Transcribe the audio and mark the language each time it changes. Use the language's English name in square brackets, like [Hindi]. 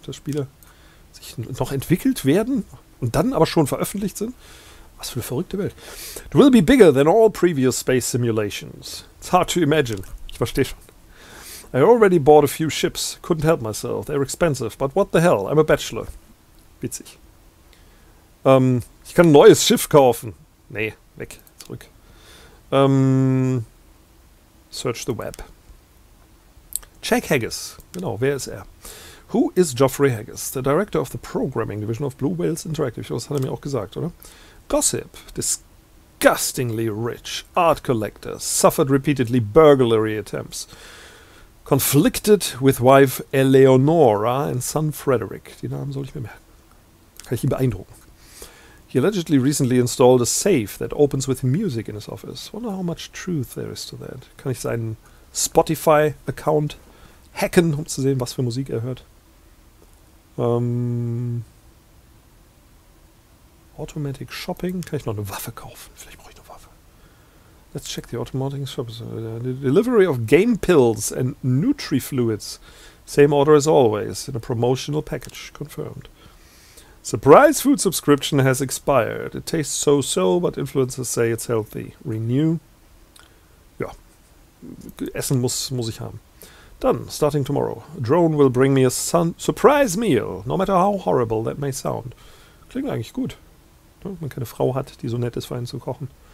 [German] Dass Spiele sich noch entwickelt werden und dann aber schon veröffentlicht sind. Was für eine verrückte Welt. [English] It will be bigger than all previous space simulations. It's hard to imagine. [German] Ich verstehe schon. [English] I already bought a few ships. Couldn't help myself. They're expensive. But what the hell? I'm a bachelor. [German] Witzig. Ich kann ein neues Schiff kaufen. Nee, weg. Zurück. [English] Search the web. Check Haggis. [German] Genau, wer ist er? [English] Who is Geoffrey Haggis? The director of the programming division of Blue Whales Interactive. [German] Das hat er mir auch gesagt, oder? [English] Gossip. Disgustingly rich. Art collector. Suffered repeatedly burglary attempts. Conflicted with wife Eleonora and son Frederick. [German] Die Namen soll ich mir merken. Kann ich ihn beeindrucken. [English] He allegedly recently installed a safe that opens with music in his office. Wonder how much truth there is to that. [German] Kann ich seinen Spotify-Account hacken, um zu sehen, was für Musik er hört? [English] Automatic Shopping. [German] Kann ich noch eine Waffe kaufen? Vielleicht brauche ich eine Waffe. [English] Let's check the automatic shops. Delivery of game pills and Nutri-Fluids. Same order as always. In a promotional package. Confirmed. Surprise food subscription has expired. It tastes so-so, but influencers say it's healthy. [German] Renew. Ja. Essen muss ich haben. Done. [English] Starting tomorrow. A drone will bring me a surprise meal, no matter how horrible that may sound. [German] Klingt eigentlich gut. Wenn man keine Frau hat, die so nett ist, für einen zu kochen.